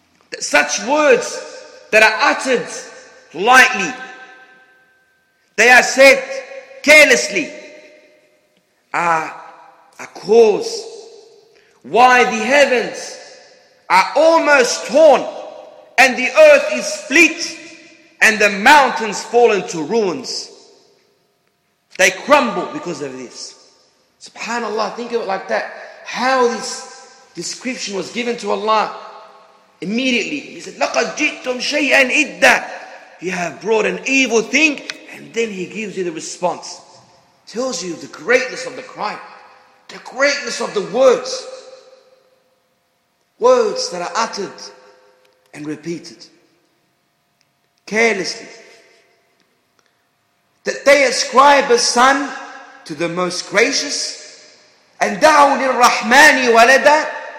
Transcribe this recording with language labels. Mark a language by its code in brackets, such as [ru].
[en] That such words that are uttered lightly, they are said carelessly, are a cause why the heavens are almost torn and the earth is split and the mountains fall into ruins. They crumble because of this. SubhanAllah, think of it like that. How this description was given to Allah immediately. He said, [ar] لَقَدْ جِئْتُمْ شَيْئًا إِدَّا. [en] You have brought an evil thing. And then he gives you the response. Tells you the greatness of the crime. The greatness of the words. Words that are uttered and repeated carelessly. That they ascribe a son to the most gracious. And [ar] دَعُوا لِلرَّحْمَانِ وَلَدًا.